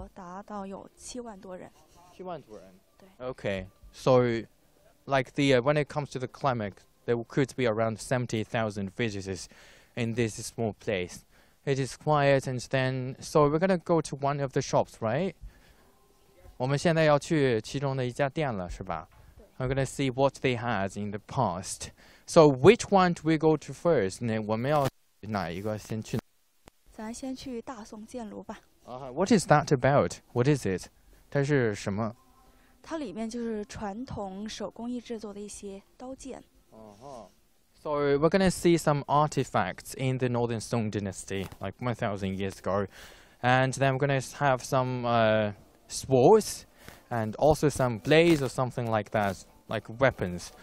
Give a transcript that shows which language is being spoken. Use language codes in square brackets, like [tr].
[zh] 每年这个时候，它这个游人来这儿的多吗？多，游客量最多的时候达到有7万多人。 [en] Okay, so like the when it comes to the climate, there could be around 70,000 visitors in this small place. It is quiet, and then so we're gonna go to one of the shops, right? [zh] 我们现在要去其中的一家店了，是吧？ [en] I'm gonna see what they had in the past. So which one do we go to first? [zh] 那我们要哪一个先去？咱先去大宋建炉吧。 [en] What is that about? What is it? [zh] 它是什么？它里面就是传统手工艺制作的一些刀剑。 [en] So we're gonna see some artifacts in the Northern Song Dynasty, like 1,000 years ago, and then we're gonna have some swords, and also some blades or something like that, like weapons.